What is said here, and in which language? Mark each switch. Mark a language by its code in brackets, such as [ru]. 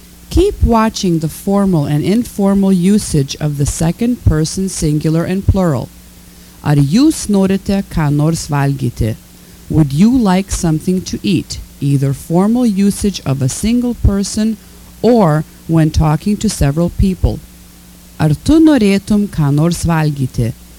[en] Keep watching the formal and informal usage of the second person singular and plural. [lt] Ar jūs norite ką nors valgyti? [en] Would you like something to eat? Either formal usage of a single person or when talking to several people. [lt] Ar tu norėtum ką nors valgyti?